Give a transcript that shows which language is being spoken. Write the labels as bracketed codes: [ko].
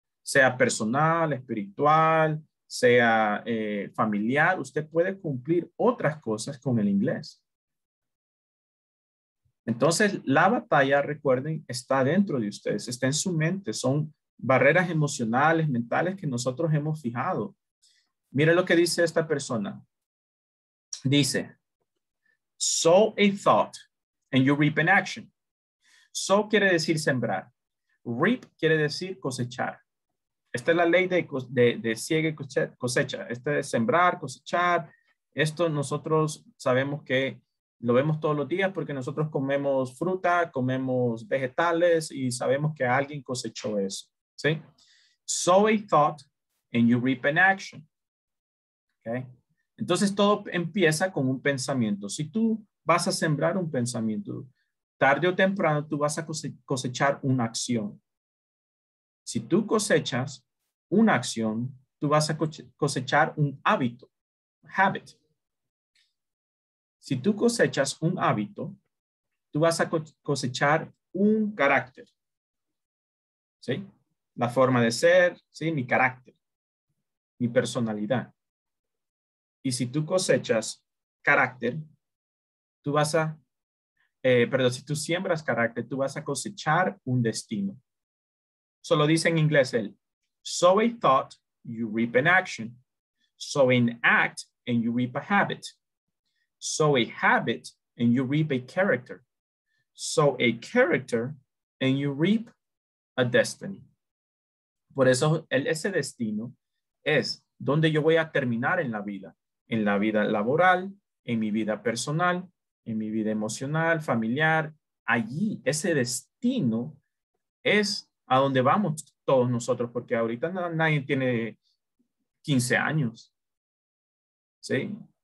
[es] Sea personal, espiritual, sea familiar, usted puede cumplir otras cosas con el inglés. Entonces, la batalla, recuerden, está dentro de ustedes, está en su mente, son barreras emocionales, mentales que nosotros hemos fijado. Mire lo que dice esta persona. Dice, [en] sow a thought and you reap an action. [es] Sow quiere decir sembrar. Reap quiere decir cosechar. Esta es la ley de siega y cosecha. Este es sembrar, cosechar. Esto nosotros sabemos que lo vemos todos los días porque nosotros comemos fruta, comemos vegetales y sabemos que alguien cosechó eso. ¿Sí? [en] Sow a thought and you reap an action. [es] ¿Okay? Entonces todo empieza con un pensamiento. Si tú vas a sembrar un pensamiento, tarde o temprano tú vas a cosechar una acción. Si tú cosechas una acción, tú vas a cosechar un hábito, habit. Si tú cosechas un hábito, tú vas a cosechar un carácter. ¿Sí? La forma de ser, ¿sí? Mi carácter, mi personalidad. Y si tú cosechas carácter, tú vas a, perdón, si tú siembras carácter, tú vas a cosechar un destino. Eso lo dice en inglés el, [en] sow a thought, you reap an action. Sow an act, and you reap a habit. Sow a habit, and you reap a character. Sow a character, and you reap a destiny. [es] Por eso, ese destino es donde yo voy a terminar en la vida laboral, en mi vida personal, en mi vida emocional, familiar. Allí, ese destino es a donde vamos todos nosotros, porque ahorita nadie tiene 15 años. ¿Sí?